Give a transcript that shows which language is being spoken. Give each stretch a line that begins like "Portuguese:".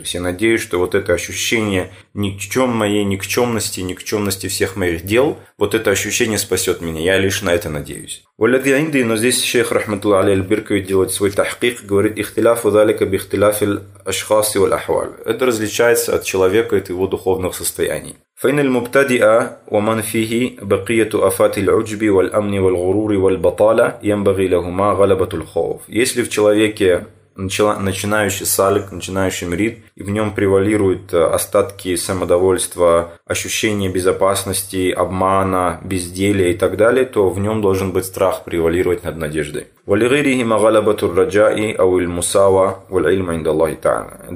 Russian: То есть я надеюсь, что вот это ощущение никчемности всех моих дел, вот это ощущение спасет меня. Я лишь на это надеюсь. Но здесь шейх рахматуллах алейхи аль-Биркави делает свой тахкик, говорит,
Arabic: ихтиляфу залика бихтиляфи аль-ашхас и аль-ахваль.
Russian: Это различается от человека и от его духовных состояний.
Arabic: فإن المبتدئ ومن فيه بقية آفات العجب والأمن والغرور والبطالة ينبغي لهما غلبة الخوف.
Russian: Если в человеке начинающий салик, начинающий мрид, и в нем превалируют остатки самодовольства, ощущение безопасности, обмана, безделия и так далее, то в нем должен быть страх превалировать над надеждой.
Arabic: وَلِغِيْرِهِ مَغَلَبَةُ الرَّجَاءِ أَوْ الْمُسَاوَى وَالْعِلْمَ عِنْدَ اللَّهِ تَعَالَى.